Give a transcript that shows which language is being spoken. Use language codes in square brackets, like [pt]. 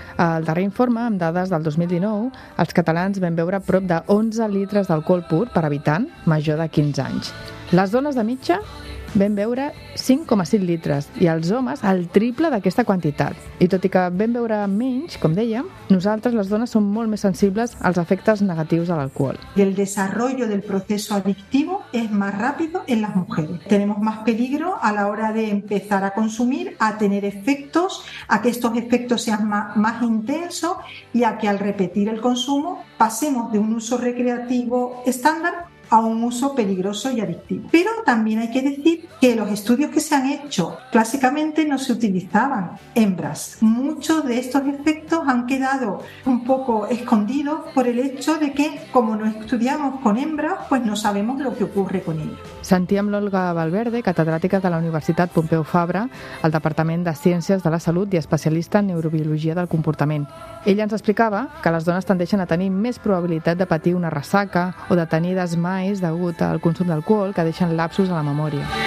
[ca] El darrer informe, amb dades del 2019, els catalans vam beure prop de 11 litres d'alcohol pur per habitant major de 15 anys. Les dones de mitja vam beure 5,5 litres i els homes el triple d'aquesta quantitat. I tot i que vam beure menys, com dèiem, nosaltres les dones som molt més sensibles als efectes negatius de l'alcohol. [es] El desarrollo del proceso adictivo es más rápido en las mujeres. Tenemos más peligro a la hora de empezar a consumir, a tener efectos, a que estos efectos sean más intensos y a que al repetir el consumo pasemos de un uso recreativo estándar a un uso peligroso y adictivo. Pero también hay que decir que los estudios que se han hecho clásicamente no se utilizaban hembras. Muchos de estos efectos han quedado un poco escondidos por el hecho de que, como no estudiamos con hembras, pues no sabemos lo que ocurre con ellas. [ca] Sentíem l'Olga Valverde, catedràtica de la Universitat Pompeu Fabra, al Departament de Ciències de la Salut i especialista en neurobiologia del comportament. Ella ens explicava que les dones tendeixen a tenir més probabilitat de patir una ressaca o de tenir desmais degut al consum d'alcohol que deixen lapsos a la memòria.